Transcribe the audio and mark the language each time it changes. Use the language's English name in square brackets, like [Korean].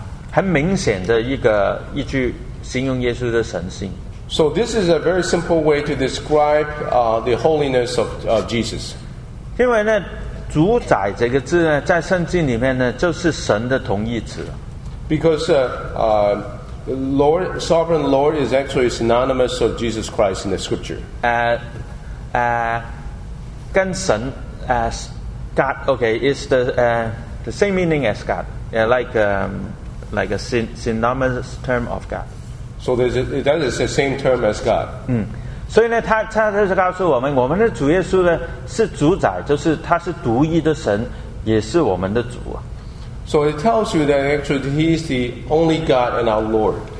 [Chinese] 很明显的一句形容耶稣的神性。 [English] So this is a very simple way to describe the holiness of Jesus. [Chinese] 因为呢，主宰这个字呢，在圣经里面呢，就是神的同义词。 [English] Because Lord, sovereign Lord is actually synonymous of Jesus Christ in the Scripture. [Chinese] 跟神 [English] as God, okay, is the same meaning as God. Yeah, like a synonymous term of God. So that is the same term as God. [Chinese] 所以呢，他就是告诉我们，我们的主耶稣呢是主宰，就是他是独一的神，也是我们的主啊。 [English] So it tells you that actually he is the only God and our Lord.